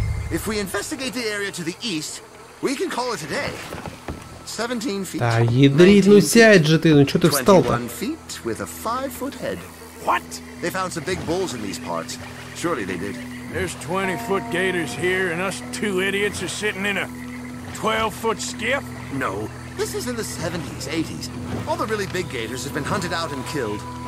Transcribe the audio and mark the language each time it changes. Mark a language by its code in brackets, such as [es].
[en] If we investigate the area to the east, we can call it a day. 17 feet. [ru] Да ядрит, ну сядь же ты, ну что ты встал-то? [en] 21 feet with a 5-foot head. What? They found some big bulls in these parts. Surely they did. There's 20-foot gators here, and us two idiots are sitting in a 12-foot skiff? No. This is in the 70s, 80s. All the really big gators have been hunted out and killed.